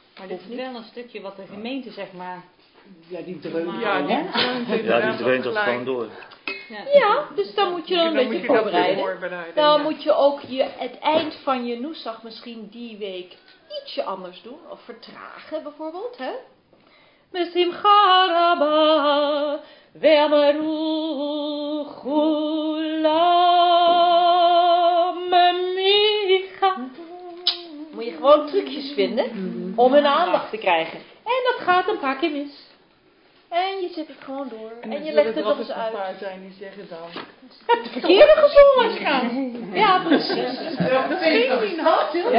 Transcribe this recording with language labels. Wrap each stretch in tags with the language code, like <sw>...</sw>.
<nl>Maar dit is wel een stukje wat de gemeente, zeg maar... Ja, die dreunt. Ja, die dreunt dat gewoon door. Ja, dus dan moet je een beetje voorbereiden. Dan moet je ook het eind van je noesag misschien die week ietsje anders doen. Of vertragen bijvoorbeeld, hè?</nl> <he>בשמחה רבה, ואמרו כולם מיכה.</he> <nl>Moet je gewoon trucjes vinden om hun aandacht te krijgen. En dat gaat een paar keer mis. En je zet het gewoon door. En je legt het nog eens uit. Paar zijn die zeggen dan. Je hebt de verkeerde gezongen als je gaat. Ja, precies. Misschien die nacht.</nl>